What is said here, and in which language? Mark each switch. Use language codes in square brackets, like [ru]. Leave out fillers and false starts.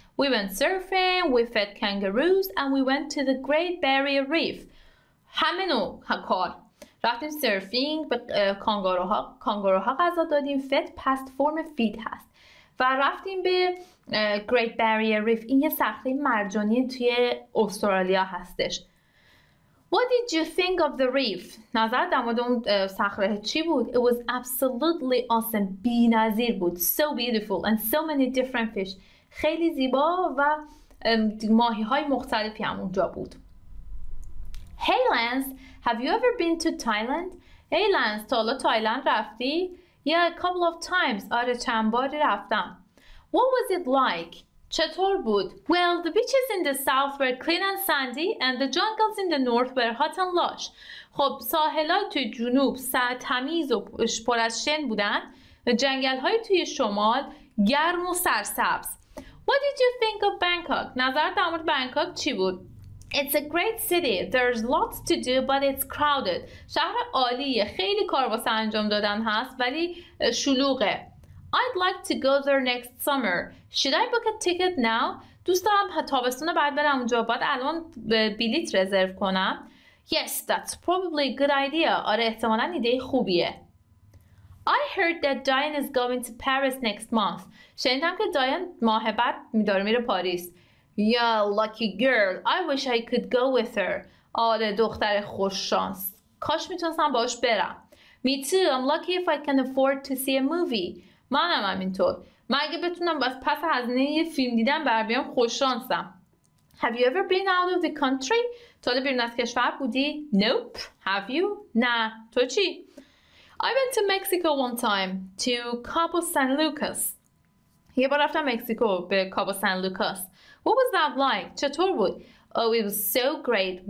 [en] We went surfing, we fed kangaroos, and we went to the Great Barrier Reef. [fa] همه نوع کار. رفتیم سرفینگ، به کانگاروها غذا دادیم. [en] Fed past form feed [fa] هست. و رفتیم به Great Barrier Reef. این یه صخره مرجانی توی استرالیا هستش. [en] What did you think of the reef? [fa] نظر در مورد اون صخره چی بود؟ [en] It was absolutely awesome. [fa] بی نظیر بود. [en] So beautiful and so many different fish. [fa] خیلی زیبا و ماهی های مختلفی هم اونجا بود. [en] Hey Lance, have you ever been to Thailand? Hey Lance, [fa] تا حالا تایلند رفتی؟ [en] Yeah, a couple of times. [fa] آره چند باری رفتم. [en] What was it like? [fa] چطور بود؟ [en] Well, the beaches in the south were clean and sandy and the jungles in the north were hot and lush. [fa] خب ساحلای توی جنوب تمیز و پر از شن بودن و جنگل‌های توی شمال گرم و سرسبز. [en] What did you think of Bangkok? [fa] نظر در مورد بنکاک چی بود؟ [en] It's a great city. There's lots to do, but it's crowded. [fa] شهر عالیه. خیلی کار واسه انجام دادن هست ولی شلوغه. [en] I'd like to go there next summer. Should I book a ticket now? [fa] دوست دارم تابستون بعد برم اونجا. باید الان بلیط رزرو کنم. [en] Yes, that's probably a good idea. [fa] آره احتمالاً ایده خوبیه. [en] I heard that Diane is going to Paris next month. [fa] شنیدم که دایان ماه بعد داره میره پاریس. [en] Yeah, lucky girl. I wish I could go with her. [fa] آره دختر خوش شانس. کاش میتونستم باهاش برم. [en] Me too. I'm lucky if I can afford to see a movie. [fa] منم همینطور. من اگه بتونم باز پس هزینه یه فیلم دیدم بر بیام خوش شانسم. [en] Have you ever been out of the country? [fa] تو بیرون از کشور بودی؟ [en] Nope. Have you? [fa] نه. تو چی؟ [en] I went to Mexico one time to Cabo San Lucas. [fa] یه بار رفتم مکزیکو به کابو سان لوکاس. [en] What was that like? [fa] چطور بود؟ [en] Oh, it was so great.